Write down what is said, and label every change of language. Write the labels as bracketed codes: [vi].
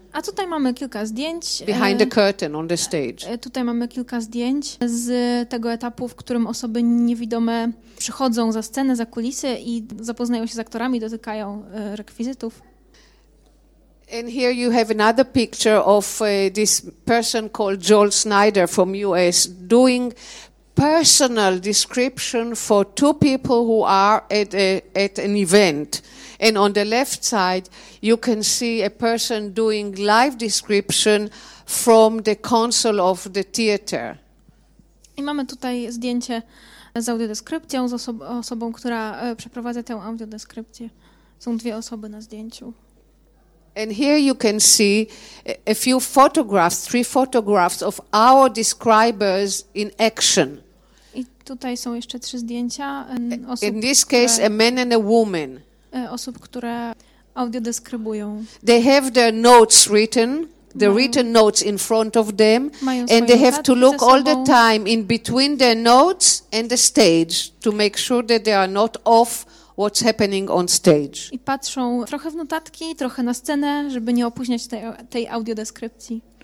[pl] A tutaj mamy kilka zdjęć. [en] Behind the curtain on the stage. [pl] Tutaj mamy kilka zdjęć z tego etapu, w którym osoby niewidome przychodzą za scenę, za kulisy i zapoznają się z aktorami, dotykają rekwizytów. [en] And here you have another picture of this person called Joel Schneider from US doing personal description for two people who are at an event. And on the left side, you can see a person doing live description from the console of the theater. [pl] I mamy tutaj zdjęcie z audiodeskrypcją, z osobą, która przeprowadza tę audiodeskrypcję. Są dwie osoby na zdjęciu. [en] And here you can see a few photographs, three photographs of our describers in action. [pl] I tutaj są jeszcze trzy zdjęcia osób, [en] in this case, a man and a woman. [pl] Osób, które audiodeskrybują. [en] They have their notes written, the written notes in front of them, and they have to look all the time in between their notes and the stage to make sure that they are not off what's happening on stage. [pl] I patrzą trochę w notatki, trochę na scenę, żeby nie opóźniać tej audiodeskrypcji.